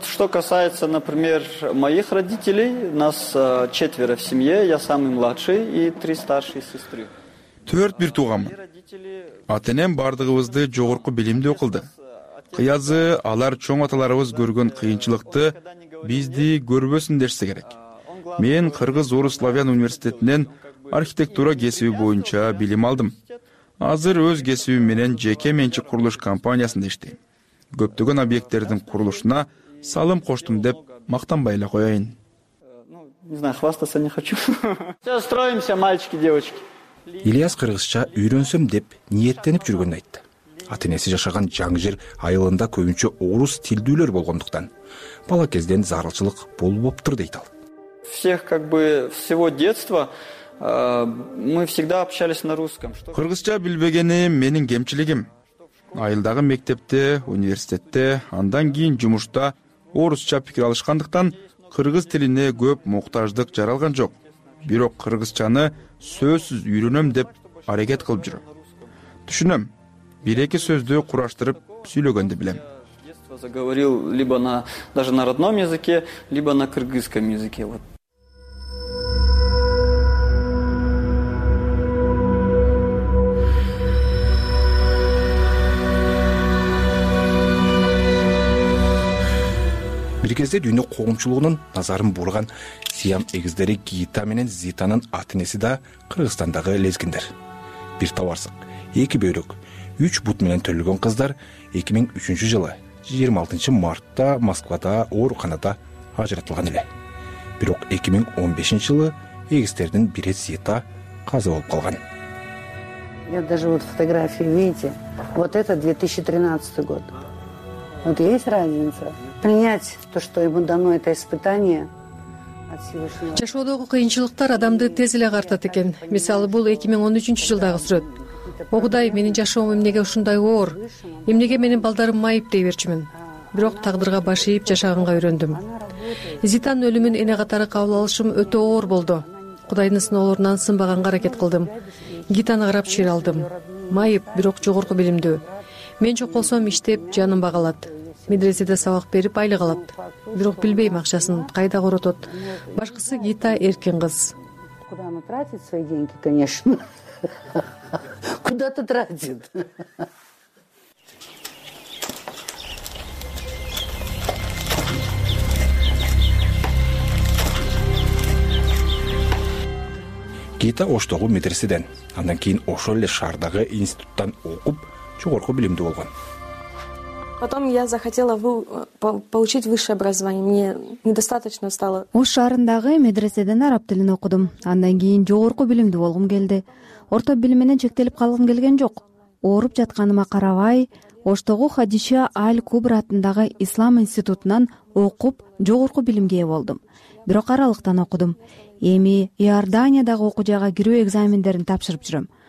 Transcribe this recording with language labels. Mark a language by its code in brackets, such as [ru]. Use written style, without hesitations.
[ru] Касается, например, моих родителей. Нас четверо в семье. Я самый младший и три старшие сестры. [ky] Төрт бир тууганмын. Ата-энем бардыгыбызды жогорку билимдүү кылды. Кыязы алар чоң аталарыбыз көргөн кыйынчылыкты бизди көрбөсүн дешсе керек. Мен Кыргыз Орус Славян университетинен архитектура кесиби боюнча билим алдым. Азыр өз кесибим менен жеке менчик курулуш компаниясында иштейм. Көптөгөн объекттердин курулушуна салым коштум деп мактанбай эле коёюн. [ru] Не знаю, хвастаться не хочу. Все строимся, мальчики, девочки. [ky] Ильяс кыргызча үйрөнсөм деп ниеттенип жүргөнүн айтты. Ата-энеси жашаган жаңы жер айылында көбүнчө орус тилдүүлөр болгондуктан бала кезден зарылчылык болбоптур дейт ал. [ru] Всех как бы всего детства мы всегда общались на русском. [ky] Кыргызча билбегени менин кемчилигим. Айылдагы мектепте, университетте, андан кийин жумушта орусча пикир алышкандыктан кыргыз тилине көп муктаждык жаралган жок. Бирок кыргызчаны сөзсүз үйрөнөм деп аракет кылып жүрөм. Түшүнөм. Бир эки сөздү кураштырып сүйлөгөндү билем. [ru] Заговорил либо на даже на родном языке, либо на кыргызском языке. Вот. [ky] Бир кезде дүйнө коомчулугунун назарын бурган сиям эгиздери Гита менен Зитанын ата-энеси да Кыргызстандагы лезгиндер. Бир табарсык, эки бөйрөк, үч бут менен төрөлгөн кыздар 2003 жылы 26 мартта Москвада ооруканада ажыратылган эле. Бирок 2015 жылы эгиздердин бири Зита каза болуп калган. [ru] Я даже вот фотографии видите, вот это 2013 год. Вот есть разница. Принять то, что ему дано это испытание от Всевышнего. [ky] Жашоодогу кыйынчылыктар адамды тез эле агартат экен. Мисалы бул 2013 жылдагы сүрөт. О Кудай, менин жашоом эмнеге ушундай оор? Эмнеге менин балдарым майып дей берчүмүн? бирок тагдырга баш ийип жашаганга үйрөндүм. Зитанын өлүмүн эне катары кабыл алышым өтө оор болду. Кудайдын сыноолорунан сынбаганга аракет кылдым. Гитаны карап чыйыр алдым. Майып, бирок жогорку билимдүү. Мен жок болсом иштеп, жанын багалат. Медреседе сабак берип айлык алат. Бирок билбейм акчасын кайда коротот. Башкысы Гита эркин кыз. [ru] Куда она тратит свои деньги, конечно. Куда-то тратит. [ky] Гита Оштогу медреседен, андан кийин ошол эле шаардагы институттан окуп, жогорку билимдүү болгон. [ru] Потом я захотела получить высшее образование. Мне недостаточно стало. [ky] Ош шаарындагы медреседен араб тилин окудум. Андан кийин жогорку билимдүү болгум келди. Орто билим менен чектелип калгым келген жок. Ооруп жатканыма карабай, Оштогу Хадиша Аль-Кубра атындагы Ислам институтунан окуп, жогорку билимге ээ болдум. Бирок аралыктан окудум. Эми Иорданиядагы окуу жайга кирүү экзамендерин тапшырып жүрөм.